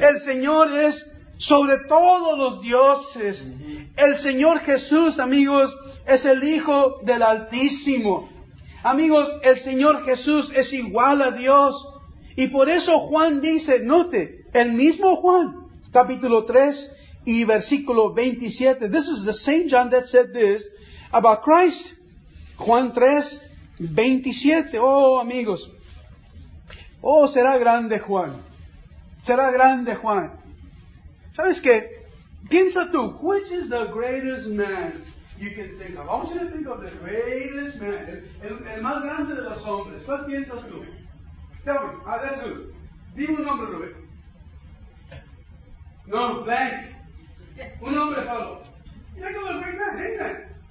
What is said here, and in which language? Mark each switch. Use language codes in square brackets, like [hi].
[es] El Señor es sobre todos los dioses. Uh-huh. El Señor Jesús, amigos, es el Hijo del Altísimo. Amigos, el Señor Jesús es igual a Dios. Y por eso Juan dice, note, el mismo Juan, capítulo 3, y versículo 27. [en] This is the same John that said this about Christ. [es] Juan 3, 27. Oh, amigos. Oh, será grande Juan. Será grande Juan. ¿Sabes qué? Piensa tú. [en] Which is the greatest man you can think of? I want you to think of the greatest man. [es] El más grande de los hombres. ¿Cuál piensas tú? [en] Tell me. [es] Dime un nombre, Rubén. No, blank. Un hombre solo. Y hay que los [en] bring back, [es] ¿eh?